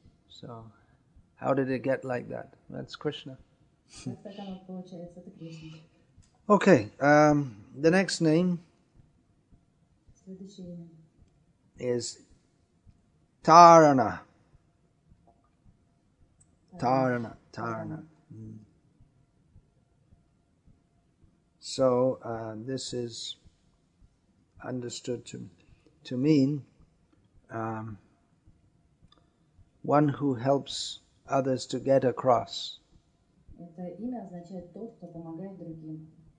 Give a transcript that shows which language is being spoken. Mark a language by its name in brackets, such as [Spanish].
[English] So, how did it get like that? That's Krishna. [Russian] Так оно получается, это Кришна. [English] Okay, the next name is Tarana. Tarana, Tarana. So, this is understood to mean one who helps others to get across. [Russian] Это имя означает тот, кто помогает другим.